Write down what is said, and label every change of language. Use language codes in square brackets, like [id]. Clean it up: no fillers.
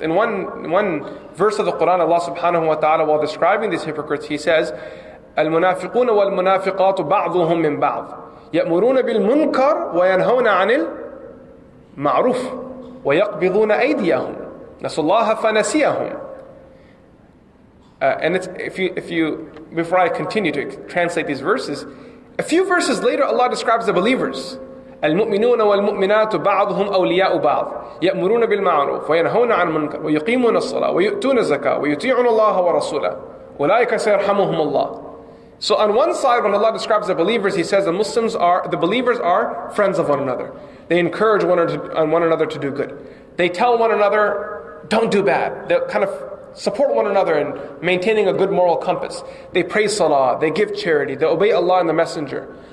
[en] In one verse of the Quran, Allah subhanahu wa ta'ala, while describing these hypocrites, he says, [ar] المنافقون والمنافقات بعضهم من بعض يأمرون بالمنكر وينهون عن المعروف ويقبضون أيديهم نسوا الله فنسيهم. [en] And it's, if you before I continue to translate these verses, a few verses later Allah describes the believers. [ar] المؤمنون والمؤمنات بعضهم أولياء بعض يأمرون بالمعروف وينهون عن المنكر ويقيمون الصلاة ويؤتون الزكاة ويطيعون الله ورسوله أولئك سيرحمهم الله. [en] So on one side, when Allah describes the believers, He says the believers are friends of one another. They encourage one another to do good. They tell one another, don't do bad. They kind of support one another in maintaining a good moral compass. They pray salah, they give charity, they obey Allah and the Messenger.